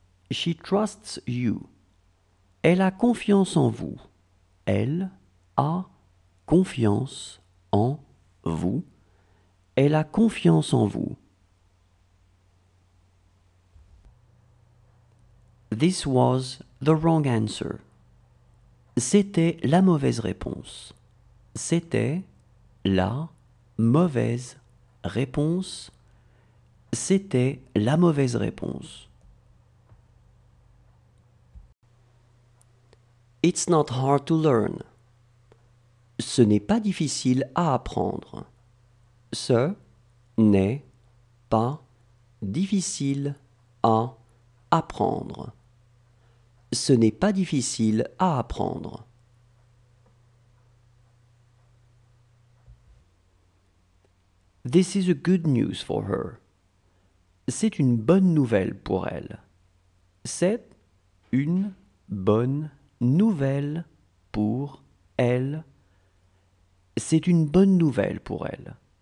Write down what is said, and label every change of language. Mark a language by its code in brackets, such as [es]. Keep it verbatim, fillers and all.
[en] She trusts you. [fr] Elle a confiance en vous. Elle a confiance en vous. Elle a confiance en vous. [en] This was the wrong answer. [fr] C'était la mauvaise réponse. C'était la mauvaise réponse. C'était la mauvaise réponse. [en] It's not hard to learn. [fr] Ce n'est pas difficile à apprendre. Ce n'est pas difficile à apprendre. Ce n'est pas difficile à apprendre. [en] This is a good news for her. [fr] C'est une bonne nouvelle pour elle. C'est une bonne nouvelle pour elle. C'est une bonne nouvelle pour elle.